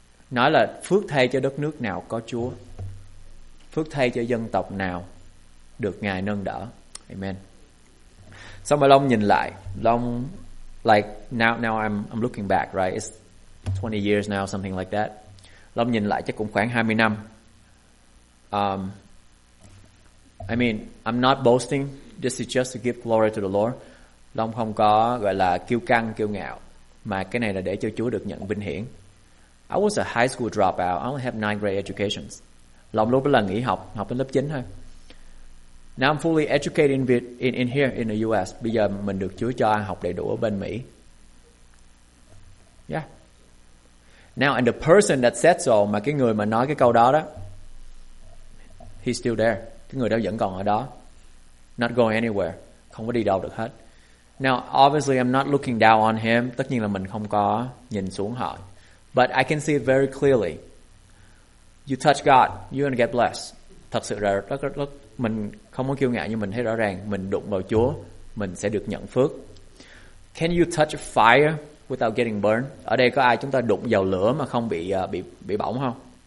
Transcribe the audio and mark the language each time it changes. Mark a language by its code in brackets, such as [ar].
[vi] Nói là phước thay cho đất nước nào có Chúa, phước thay cho dân tộc nào được Ngài nâng đỡ. Amen. Xong rồi Long nhìn lại, Long, [en] like, now I'm looking back, right? It's 20 years now, something like that. [vi] Long nhìn lại chắc cũng khoảng 20 năm. [en] I mean, I'm not boasting, this is just to give glory to the Lord. [vi] Long không có gọi là kiêu căng, kiêu ngạo, mà cái này là để cho Chúa được nhận vinh hiển. [en] I was a high school dropout, I only have 9 grade educations. [vi] Long lúc đó là nghỉ học, học đến lớp 9 thôi. [en] Now I'm fully educated in here in the US. [vi] Bây giờ mình được Chúa cho ăn học đầy đủ ở bên Mỹ. [en] Yeah. Now, and the person that said so, [vi] mà cái người mà nói cái câu đó đó, [en] he's still there. [vi] Cái người đó vẫn còn ở đó. [en] Not going anywhere. [vi] Không có đi đâu được hết. [en] Now, obviously I'm not looking down on him. [vi] Tất nhiên là mình không có nhìn xuống họ. [en] But I can see it very clearly. You touch God, you're gonna get blessed. [vi] Thật sự là rất mình không có kiêu ngạo, nhưng mình thấy rõ ràng mình đụng vào Chúa, mình sẽ được nhận phước. [en] Can you touch fire without getting burned? [vi] Ở đây có ai chúng ta đụng vào lửa mà không bị bị bỏng không?